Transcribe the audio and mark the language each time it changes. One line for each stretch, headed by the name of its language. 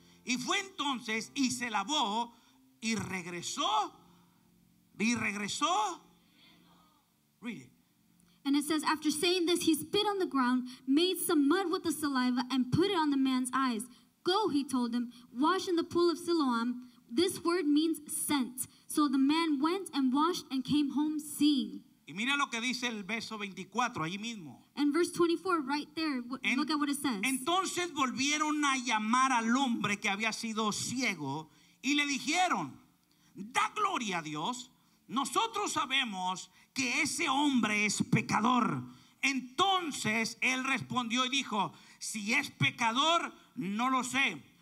Spanish: Y fue entonces y se lavó y regresó.
English: Read it. And it says, after saying this, he spit on the ground, made some mud with the saliva, and put it on the man's eyes. Go, he told him, wash in the pool of Siloam. This word means sent. So the man went and washed and came home seeing.
Spanish: Y mira lo que dice el verso 24, allí mismo.
English: And verse 24, right there, look at what it says.
Spanish: Entonces volvieron a llamar al hombre que había sido ciego, y le dijeron, da gloria a Dios. Nosotros sabemos que ese hombre es pecador. Entonces él respondió y dijo, si es pecador, no lo sé.